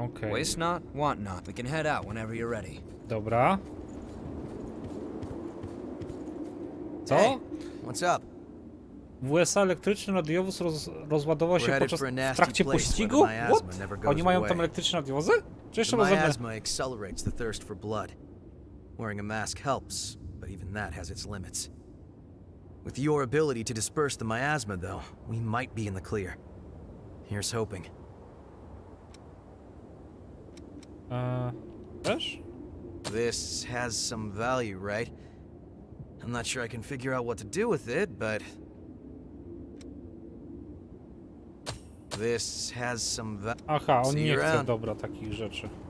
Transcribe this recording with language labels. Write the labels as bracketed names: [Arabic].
[English] Waste not, want not. We can head out whenever you're ready. [Polish] Dobra. Co? [English] Hey, what's up? [Polish] W USA elektryczny radiowóz rozładował się podczas w trakcie pościgu? [English] What? [Polish] Oni mają tam elektryczne radiowozy? Czy jeszcze rozumiem? [English] Miasma accelerates the thirst for blood. Wearing a mask helps, but even that has its limits. With your ability to disperse the miasma, though, we might be in the clear. Here's hoping. [Polish] Też? [English] This has some value, right? I'm not sure I can figure out what to do with it, but... This has some value... [Polish] Aha, on nie chce dobra takich rzeczy.